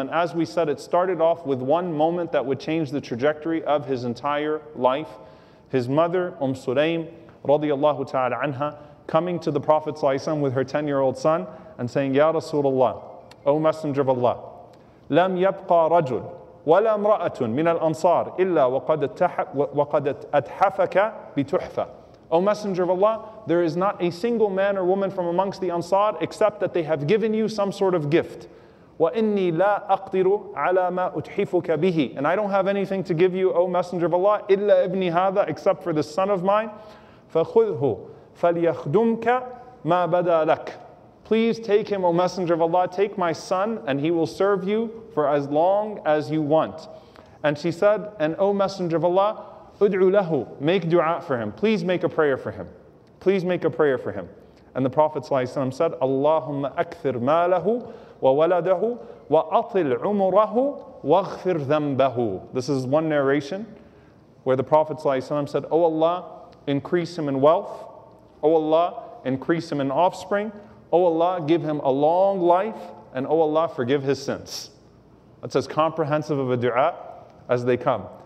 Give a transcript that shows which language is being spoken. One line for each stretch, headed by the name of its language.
English: And as we said, it started off with one moment that would change the trajectory of his entire life. His mother, Sulaim, radiallahu ta'ala anha, coming to the Prophet ﷺ with her 10-year-old son and saying, Ya Rasulullah, O Messenger of Allah,
Arabic: لم يبقى رجل ولا امرأة من الأنصار إلا وقد أتحفك بتحفة.
English: O Messenger of Allah, there is not a single man or woman from amongst the Ansar except that they have given you some sort of gift.
Arabic: وَإِنِّي لَا أَقْدِرُ عَلَى مَا أُتْحِفُكَ بِهِ.
English: And I don't have anything to give you, O Messenger of Allah,
Arabic: إِلَّا إِبْنِي هَذَا,
English: except for this son of mine.
Arabic: فَخُذْهُ فَلْيَخْدُمْكَ مَا بَدَى لَكَ.
English: Please take him, O Messenger of Allah, take my son, and he will serve you for as long as you want. And she said, and O Messenger of Allah,
Arabic: أُدْعُ لَهُ,
English: make dua for him. Please make a prayer for him. Please make a prayer for him. And the Prophet ﷺ said,
Arabic: اللهم أكثر ماله وولده وأطل عمره واغفر ذنبه.
English: This is one narration where the Prophet ﷺ said, O Allah, increase him in wealth. O Allah, increase him in offspring. O Allah, give him a long life. And O Allah, forgive his sins. That's as comprehensive of a dua as they come.